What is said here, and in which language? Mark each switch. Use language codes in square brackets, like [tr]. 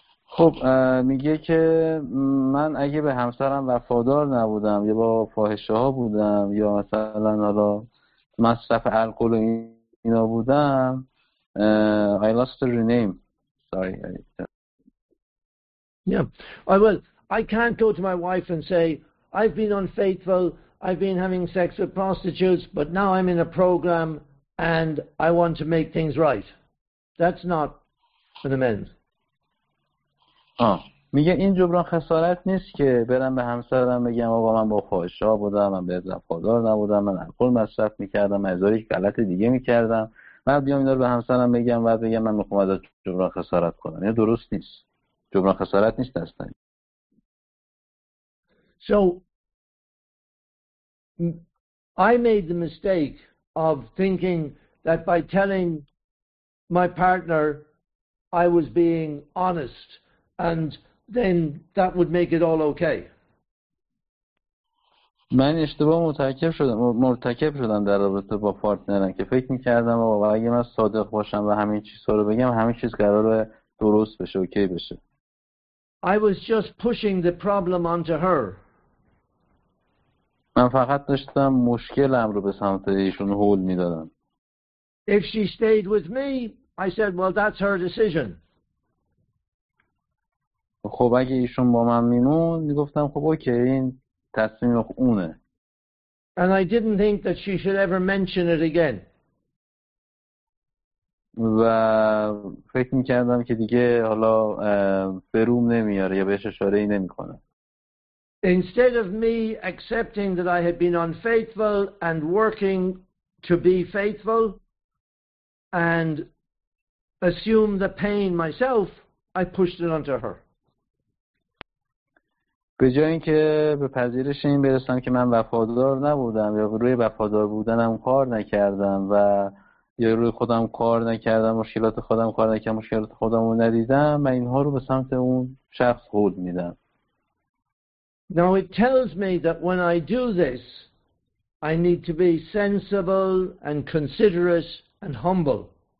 [fa] خب میگه که من اگه به همسرم وفادار نبودم یا با فاحشه ها بودم یا مثلا حالا مصرف الکل و اینا بودم [en] I lost the rename. Sorry. Yeah. I can't go to my wife and say I've been unfaithful, I've been having sex with prostitutes, but now I'm in a program and I want to make things right. That's not an amend. [fa] میگه این جبران خسارت نیست که برم به همسرم بگم آقا من با فاحشه‌ها بودم، من به وفادار نبودم، من الکل مصرف میکردم، من ازدواج غلط دیگه میکردم، بعد بیام اینا رو به همسرم بگم بعد بگم من میخوام از جبران خسارت کنم. این درست نیست. جبران خسارت نیست اصلا. [en] So I made the mistake of thinking that by telling my partner I was being honest and then that would make it all okay. [fa] من اشتباه مرتکب شدم در رابطه با پارتنرم که فکر می‌کردم آقا اگه من صادق باشم و همین چیزا رو بگم همه چیز قراره درست بشه، اوکی بشه. [en] I was just pushing the problem onto her. [fa] من فقط داشتم مشکلم رو به سمت ایشون هول می‌دادم. [en] If she stayed with me, I said, well, that's her decision. [fa] خب اگه ایشون با من میمون میگفتم خب اوکی این تصمیم اونه. [en] And I didn't think that she should ever mention it again. [fa] و فکر میکردم که دیگه حالا بروم نمیاره یا بهش اشاره ای نمی کنه. [en] Instead of me accepting that I had been unfaithful and working to be faithful and assume the pain myself, I pushed it onto her. [fa] به جای اینکه به پذیرش این برسم که من وفادار نبودم یا روی وفادار بودنم کار نکردم و یا روی خودم کار نکردم، مشکلات خودم کار نکردم، مشکلات خودم رو ندیدم، من اینها رو به سمت اون شخص هول میدم. [en] Now it tells me that when I do this, I need to be sensible and considerate and humble.